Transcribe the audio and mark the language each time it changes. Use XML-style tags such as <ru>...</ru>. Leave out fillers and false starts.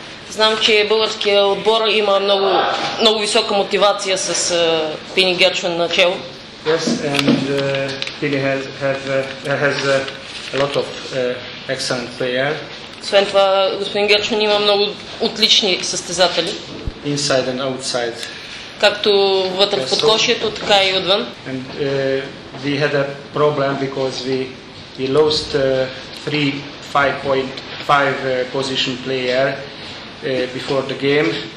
<bg>Знам, че българският отбор има много, много висока мотивация с Пини Гершон на чело.</bg> <en>Yes, and Pini has a lot of excellent players.</en> <bg>Освен това, господин Гершон има много отлични състезатели.</bg> <en>Inside and outside.</en> <bg>Както вътре в подкошието, така и отвън.</bg> <en>And we had a problem because we lost three 5.5 position player before the game.</en>